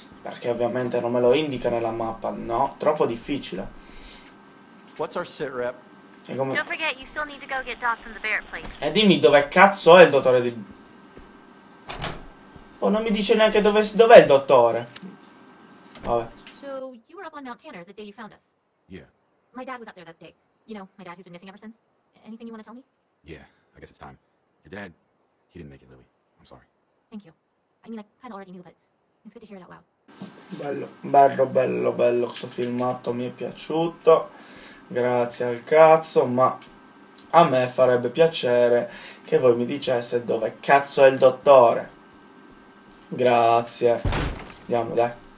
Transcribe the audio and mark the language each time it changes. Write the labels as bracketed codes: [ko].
[it] Perché ovviamente non me lo indica nella mappa, no? Troppo difficile. [en] What's our sit rep? [it] E come... [en] Don't forget, you still need to go get Doc from the Barrett place. [it] E dimmi dove cazzo è il dottore di... Oh, non mi dice neanche dove... Dov'è il dottore? Vabbè. [en] So, you were up on Mount Tanner the day you found us. Yeah. My dad was up there that day. You know, my dad who's been missing ever since. Anything you want to tell me? Yeah, I guess it's time. Your dad, he didn't make it, Lily. I'm sorry. Thank you. I mean, I kind of already knew, but it's good to hear it out loud. [it] Bello, bello, bello, bello. Questo filmato mi è piaciuto. Grazie al cazzo, ma a me farebbe piacere che voi mi diceste dove cazzo è il dottore. Grazie. Andiamo, dai.